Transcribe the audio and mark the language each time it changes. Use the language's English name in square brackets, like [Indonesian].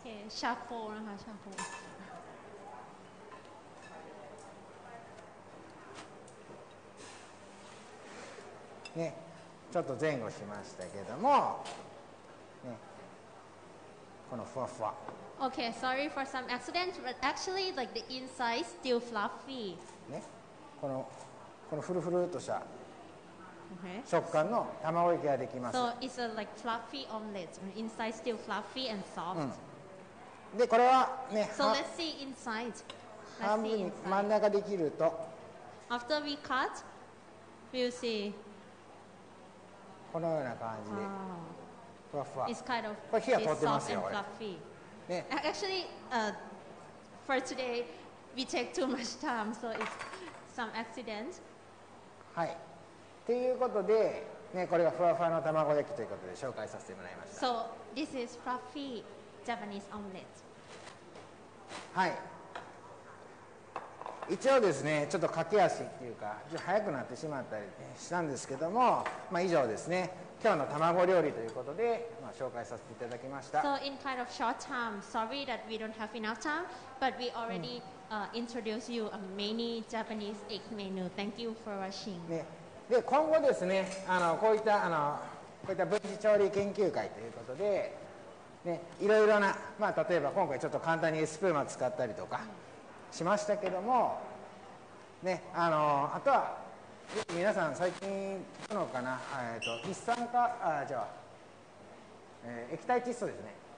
[English] charcoal、okay, charcoal [Japanese] ね、ちょっと前後しましたけども、ね、このふわふわ。 [English] Okay, sorry for some accidents, but actually, like the inside is still fluffy. [Japanese] ね、このふるふるっとした食感の卵焼きができます。 [English] So it's a like fluffy omelette. Inside still fluffy and soft.、うん、 [Japanese] で、これはね、 [English] So let's see inside. [Japanese] Let's 半分に真ん中できると。 [English] After we cut, we'll see. [Japanese] このような感じで、ふわふわ。 [English] It's kind of [Japanese] これ火が通ってますよ、これ。 [English] ね、Actually, for today, we take too much time, so it's some accident. [Japanese] はい。ということで、ね、これがふわふわの卵焼きということで紹介させてもらいました。 [English] So, this is fluffy Japanese omelette. [Japanese] はい。一応ですね、ちょっと駆け足っていうか、ちょっと早くなってしまったりしたんですけども、まあ以上ですね、今日の卵料理ということで、まあ、紹介させていただきました。 [English] So in kind of short term, sorry that we don't have enough time, but we already、うん introduce you a many Japanese egg menu. Thank you for watching.、 [Japanese] ね、で、今後ですね、こういった分子調理研究会ということで、ね、いろいろな、まあ例えば今回ちょっと簡単にエスプーマ使ったりとか、うんしましたけども、ね、あとは皆さん最近どのかな、一酸化あじゃあ、液体窒素ですね。